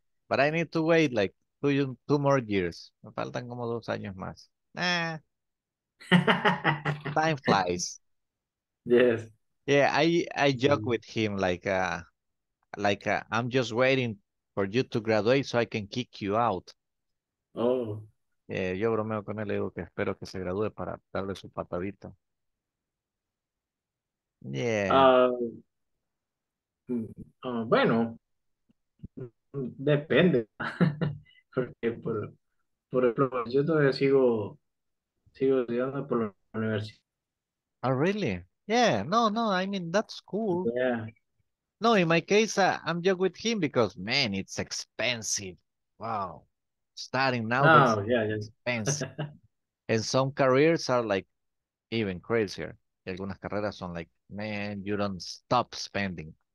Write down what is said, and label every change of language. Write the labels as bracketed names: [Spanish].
[English] But I need to wait like two more years. [Spanish] Me faltan como 2 años más. Nah. [English] Time flies. Yes. Yeah, I joke with him like I'm just waiting for you to graduate so I can kick you out. Oh. [Spanish] Yo bromeo con él y digo que espero que se gradúe para darle su patadita. [English] Yeah. [Spanish] Bueno, depende. Porque por ejemplo, yo todavía sigo estudiando por la universidad. [English] Oh, really? Yeah, no, I mean, that's cool. Yeah. No, in my case, I'm joking with him because, man, it's expensive. Wow. Starting now, expensive. And some careers are like even crazier. [Spanish] Y algunas carreras son [English] like, man, you don't stop spending.